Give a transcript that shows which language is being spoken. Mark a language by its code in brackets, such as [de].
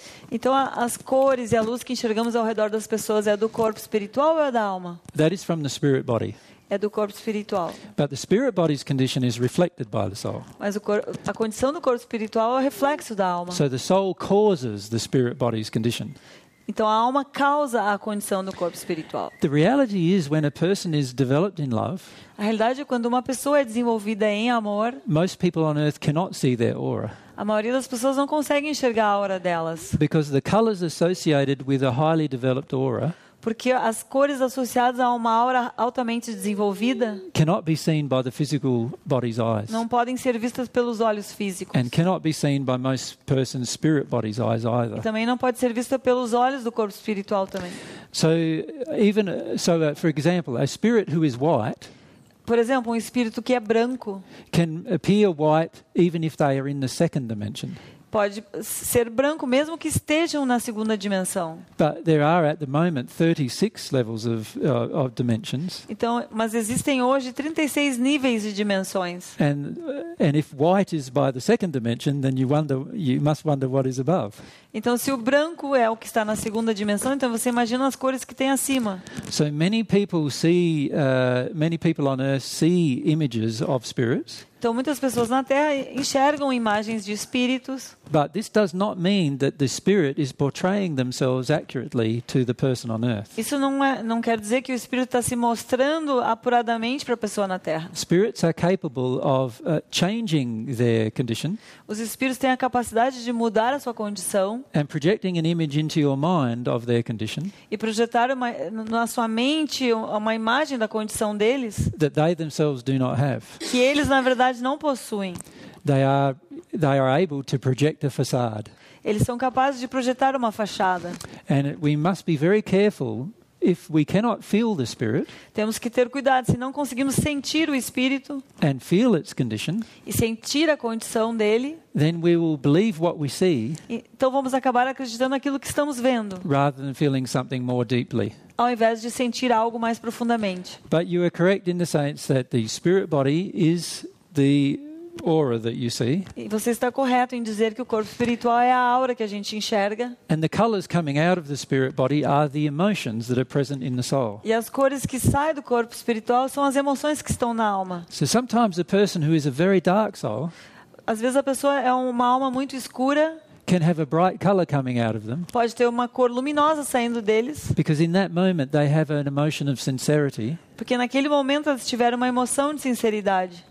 [pt] Então as cores e a luz que enxergamos ao redor das pessoas é do corpo espiritual ou é da alma? [en] That is from the spirit body. [pt] É do corpo espiritual. [en] But the spirit body's condition is reflected by the soul. [pt] Mas a condição do corpo espiritual é o reflexo da alma. [en] So the soul causes the spirit body's condition. [pt] Então a alma causa a condição do corpo espiritual. [en] The reality is when a person is developed in love. [pt] A realidade é quando uma pessoa é desenvolvida em amor. [en] Most people on earth cannot see their aura. [pt] A maioria das pessoas não consegue enxergar a aura delas. [en] Because the colors associated with a highly developed aura. [pt] Porque as cores associadas a uma aura altamente desenvolvida [en] cannot be seen by the physical body's eyes. [pt] Não podem ser vistas pelos olhos físicos. [en] And cannot be seen by most person's spirit body's eyes either. [pt] E também não pode ser vista pelos olhos do corpo espiritual também. [en] So even so for example, a spirit who is white, [pt] por exemplo, um espírito que é branco, [en] can appear white even if they are in the second dimension. [pt] Pode ser branco mesmo que estejam na segunda dimensão. [en] But there are at the moment 36 levels of dimensions. [pt] Então, mas existem hoje 36 níveis de dimensões. [en] And if white is by the second dimension, then you must wonder what is above. [pt] Então, se o branco é o que está na segunda dimensão, então você imagina as cores que tem acima. [en] So many people on earth see images of spirits. [pt] Então muitas pessoas na Terra enxergam imagens de espíritos. [en] But this does not mean that the spirit is portraying themselves accurately to the person on earth. [pt] Isso não quer dizer que o espírito está se mostrando apuradamente para a pessoa na Terra. [en] Spirits are capable of changing their condition. [pt] Os espíritos têm a capacidade de mudar a sua condição. [en] And projecting an image into your mind of their condition. [pt] E projetar na sua mente uma imagem da condição deles. [en] That they themselves do not have. [pt] Que eles na verdade não possuem. [en] They are able to project a facade. [pt] Eles são capazes de projetar uma fachada. [en] And we must be very careful if we cannot feel the spirit. [pt] Temos que ter cuidado se não conseguimos sentir o espírito. [en] And feel its condition. [pt] E sentir a condição dele. [en] Then we will believe what we see. [pt] Então vamos acabar acreditando aquilo que estamos vendo. [en] Rather than feeling something more deeply. [pt] Ao invés de sentir algo mais profundamente. [en] But you are correct in the sense that the spirit body is the aura that you see. [pt] E você está correto em dizer que o corpo espiritual é a aura que a gente enxerga. [en] And the colors coming out of the spirit body are the emotions that are present in the soul. [pt] E as cores que saem do corpo espiritual são as emoções que estão na alma. [en] So sometimes a person who is a very dark soul, [pt] às vezes a pessoa é uma alma muito escura, [en] can have a bright color coming out of them. [pt] Pode ter uma cor luminosa saindo deles. [en] Because in that moment they have an emotion of sincerity. [pt] Porque naquele momento eles tiveram uma emoção de sinceridade.